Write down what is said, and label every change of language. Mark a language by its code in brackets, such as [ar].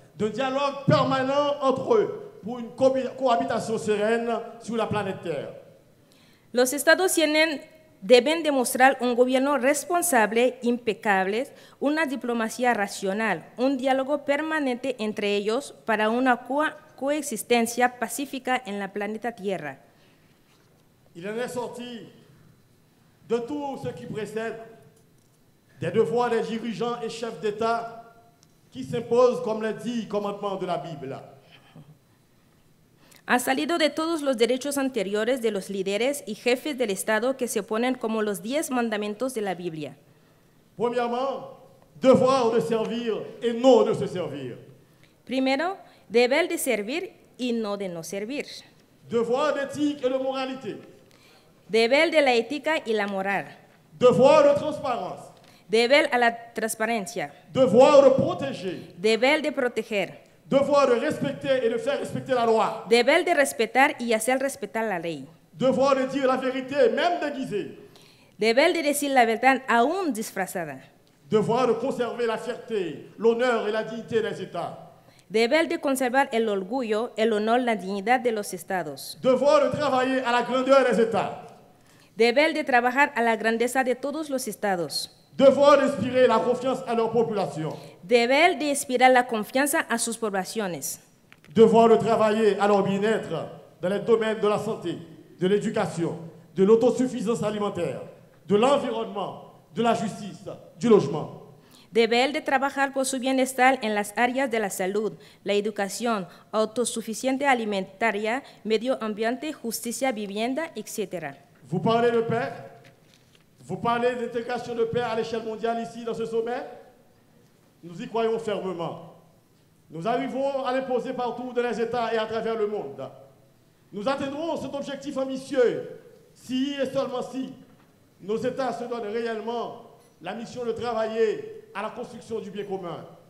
[fr] De dialogue permanent entre eux pour une cohabitation sereine sur la planète Terre. [es] Los estados deben demostrar un gobierno responsable, impecable, una diplomacia racional, un diálogo permanente entre ellos para una coexistencia pacífica en la planeta Tierra. [fr] Il en est sorti de tout ce qui précède des devoirs des dirigeants et chefs d'État qui s'impose comme le dit le commandement de la Bible. [es] Ha salido de todos los derechos anteriores de los líderes y jefes del Estado que se ponen como los 10 mandamientos de la Biblia. [fr] Premièrement, devoir de servir et non de se servir. [es] Primero, deber de servir y no de no servir. [fr] Devoir d'éthique et de moralité. [es] Deber de la ética y la moral. [fr] Devoir de transparence. [es] Deber a la transparencia. [fr] Devoir de protéger. [es] Deber de proteger. [fr] Devoir de respecter et de faire respecter la loi. [es] Deber de respetar y hacer respetar la ley. [fr] Devoir de dire la vérité, même déguisée. [es] Deber de decir la verdad, aún disfrazada. [fr] Devoir de conserver la fierté, l'honneur et la dignité des États. [es] Deber de conservar el orgullo, el honor, la dignidad de los Estados. [fr] Devoir de travailler à la grandeur des États. [es] Deber de trabajar a la grandeza de todos los Estados. [fr] Devoir d'inspirer la confiance à leur population. [es] Deber de inspirar la confianza a sus poblaciones. [fr] Devoir de travailler à leur bien-être dans les domaines de la santé, de l'éducation, de l'autosuffisance alimentaire, de l'environnement, de la justice, du logement. [es] Deber de trabajar por su bienestar en las áreas de la salud, la educación, autosuficiente alimentaria, medio ambiente, justicia, vivienda, etc. [fr] Vous parlez de paix? Vous parlez d'intégration de paix à l'échelle mondiale ici, dans ce sommet? Nous y croyons fermement. Nous arrivons à l'imposer partout dans les États et à travers le monde. Nous atteindrons cet objectif ambitieux si et seulement si nos États se donnent réellement la mission de travailler à la construction du bien commun.